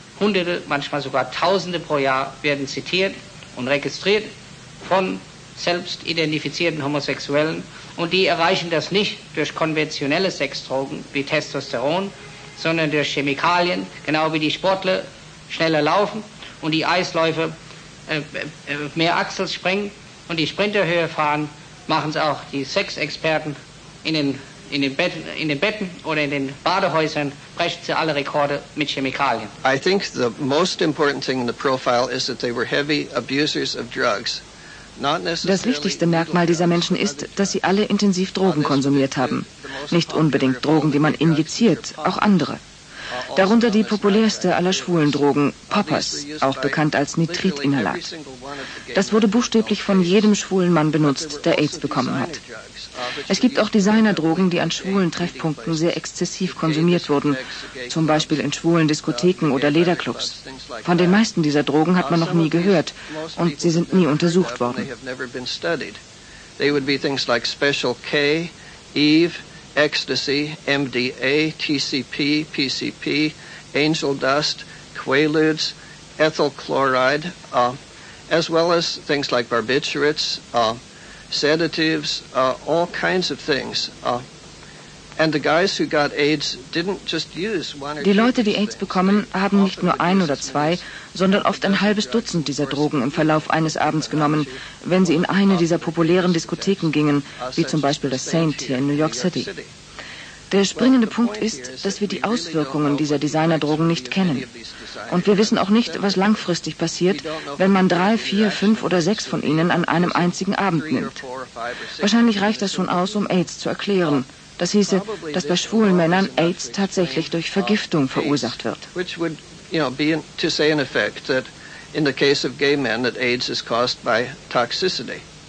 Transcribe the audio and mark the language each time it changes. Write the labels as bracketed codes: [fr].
[de] Hunderte, manchmal sogar Tausende pro Jahr werden zitiert und registriert von selbst identifizierten Homosexuellen und die erreichen das nicht durch konventionelle Sexdrogen wie Testosteron, sondern durch Chemikalien, genau wie die Sportler schneller laufen und die Eisläufer mehr Achseln springen und die Sprinter höher fahren, machen es auch die Sexexperten in den Betten oder in den Badehäusern, brechen sie alle Rekorde mit Chemikalien. [en] I think the most important thing in the profile is that they were heavy abusers of drugs. [de] Das wichtigste Merkmal dieser Menschen ist, dass sie alle intensiv Drogen konsumiert haben. Nicht unbedingt Drogen, die man injiziert, auch andere. Darunter die populärste aller schwulen Drogen, Poppers, auch bekannt als Nitritinhalat. Das wurde buchstäblich von jedem schwulen Mann benutzt, der AIDS bekommen hat. Es gibt auch Designerdrogen, die an schwulen Treffpunkten sehr exzessiv konsumiert wurden, zum Beispiel in schwulen Diskotheken oder Lederclubs. Von den meisten dieser Drogen hat man noch nie gehört und sie sind nie untersucht worden. [en] They would be things like Special K, Eve, Ecstasy, MDA, TCP, PCP, Angel Dust, Quaaludes, Ethyl Chloride, as well as things like barbiturates, sedatives, all kinds of things. And the guys who got AIDS didn't just use one or two. [de] Die Leute, die AIDS bekommen, haben nicht nur ein oder zwei, sondern oft ein halbes Dutzend dieser Drogen im Verlauf eines Abends genommen, wenn sie in eine dieser populären Diskotheken gingen, wie zum Beispiel das Saint hier in New York City. Der springende Punkt ist, dass wir die Auswirkungen dieser Designerdrogen nicht kennen. Und wir wissen auch nicht, was langfristig passiert, wenn man 3, 4, 5 oder 6 von ihnen an einem einzigen Abend nimmt. Wahrscheinlich reicht das schon aus, um AIDS zu erklären. Das hieße, dass bei schwulen Männern AIDS tatsächlich durch Vergiftung verursacht wird. [en] Which would, you know, be to say in effect that in the case of gay men that AIDS is caused by toxicity.